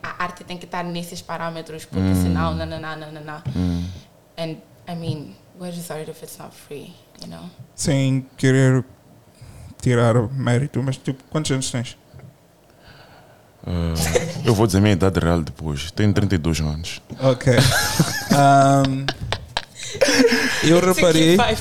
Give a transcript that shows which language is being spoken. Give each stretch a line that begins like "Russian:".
Portuguese: A arte tem que estar nesses parâmetros, porque senão, na.
English: And, I mean, what is art if it's not free, you know?
Portuguese: Sem querer tirar o mérito, mas, tipo, quantos anos tens? eu vou dizer minha idade real depois. Tenho 32 anos. Ok. Eu reparei.